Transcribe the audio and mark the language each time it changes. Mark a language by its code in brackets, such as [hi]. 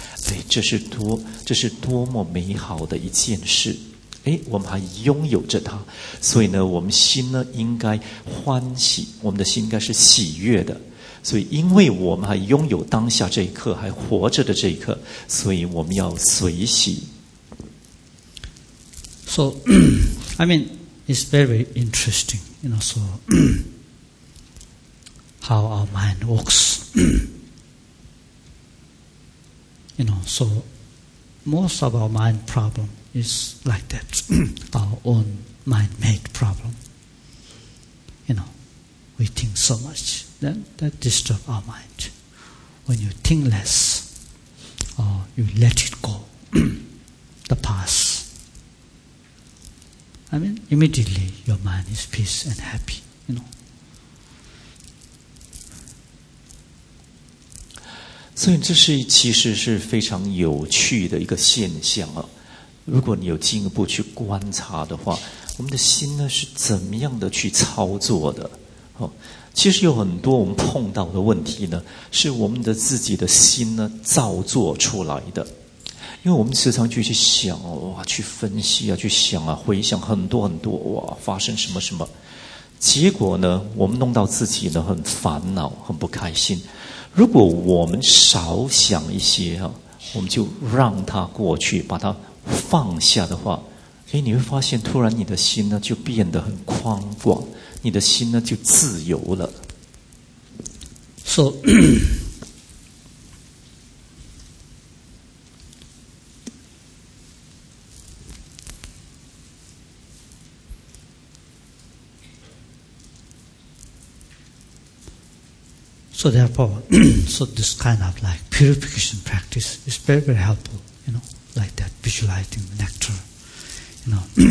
[zh] 哎，这是多么美好的一件事！哎，我们还拥有着它，所以呢，我们心呢应该欢喜，我们的心应该是喜悦的。所以，因为我们还拥有当下这一刻，还活着的这一刻，所以我们要随喜。 [en] So, I mean, it's very interesting, you know. So, how our mind works. You know, so most of our mind problem is like that, our own mind-made problem. You know, we think so much, then that disturbs our mind. When you think less, or you let it go, the past, I mean, immediately your mind is peace and happy, you know. [zh] 所以这是其实是非常有趣的一个现象啊！如果你有进一步去观察的话，我们的心呢是怎么样的去操作的？哦，其实有很多我们碰到的问题呢，是我们的自己的心呢造作出来的。因为我们时常去想哇，去分析啊，去想啊，回想很多很多哇，发生什么什么，结果呢，我们弄到自己呢很烦恼，很不开心。如果我们少想一些啊，我们就让它过去，把它放下的话，哎，你会发现突然你的心呢就变得很宽广，你的心呢就自由了。 [en] So, so therefore, so this kind of like purification practice is very, very helpful, you know, like that visualizing the nectar, you know,